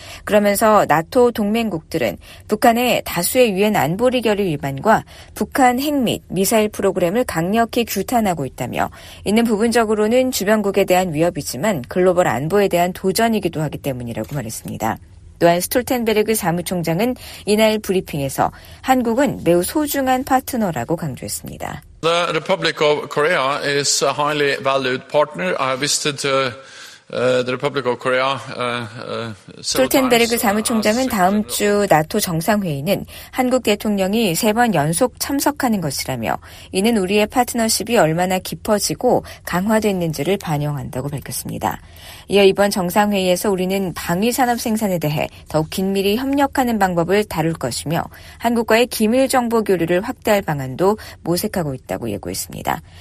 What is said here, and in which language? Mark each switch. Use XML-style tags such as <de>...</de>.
<ko>그러면서 나토 동맹국들은 북한의 다수의 유엔 안보리 결의 위반과 북한 핵 및 미사일 프로그램을 강력히 규탄하고 있다며 이는 부분적으로는 주변국에 대한 위협이지만 글로벌 안보에 대한 도전이기도 하기 때문이라고 말했습니다. 또한 스톨텐베르그 사무총장은 이날 브리핑에서 한국은 매우 소중한 파트너라고 강조했습니다.</ko> <en>The Republic of Korea is a highly valued partner. I visited the Republic of Korea.</en> <ko>스톨텐베르그 사무총장은 다음 주 나토 정상회의는 한국 대통령이 세 번 연속 참석하는 것이라며 이는 우리의 파트너십이 얼마나 깊어지고 강화됐는지를 반영한다고 밝혔습니다. 이어 이번 정상회의에서 우리는 방위산업 생산에 대해 더욱 긴밀히 협력하는 방법을 다룰 것이며 한국과의 기밀정보 교류를 확대할 방안도 모색하고 있다고 예고했습니다.</ko>